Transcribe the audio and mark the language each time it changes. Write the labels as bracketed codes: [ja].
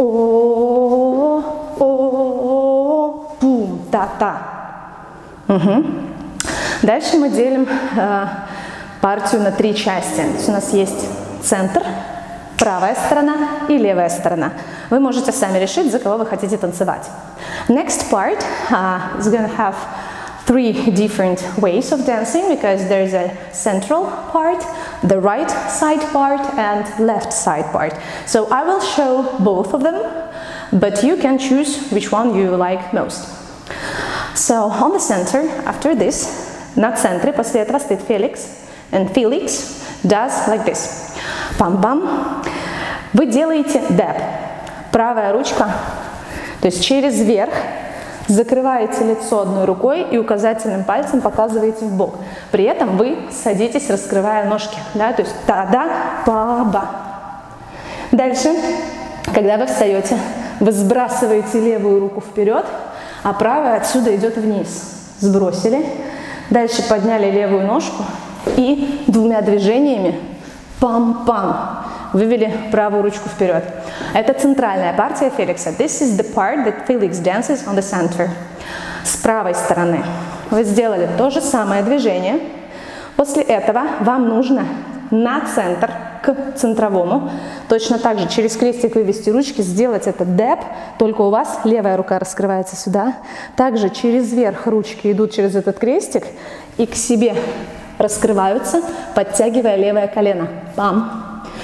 [ru] О-о-о-о-о-о-о. Пум, та-та. Угу. Дальше мы делим партию на три части. У нас есть центр, правая сторона и левая сторона. Вы можете сами решить, за кого вы хотите танцевать. [en] Next part is going to have three different ways of dancing because there is a central part, the right side part and left side part. So I will show both of them, but you can choose which one you like most. So on the center, after this, [ru] на центре, после этого стоит [en] Felix, and Felix does like this. Пам-пам. [ru] Вы делаете деп. Правая ручка, то есть через верх, закрываете лицо одной рукой и указательным пальцем показываете в бок. При этом вы садитесь, раскрывая ножки. Да? То есть та-да, па-ба. Дальше, когда вы встаете, вы сбрасываете левую руку вперед, а правая отсюда идет вниз. Сбросили. Дальше подняли левую ножку и двумя движениями пам-пам. Вывели правую ручку вперед. Это центральная партия Феликса. [en] This is the part that Felix dances on the center. [ru] С правой стороны. Вы сделали то же самое движение. После этого вам нужно на центр, к центровому, точно так же через крестик вывести ручки, сделать этот деп, только у вас левая рука раскрывается сюда. Также через верх ручки идут через этот крестик и к себе раскрываются, подтягивая левое колено. Пам!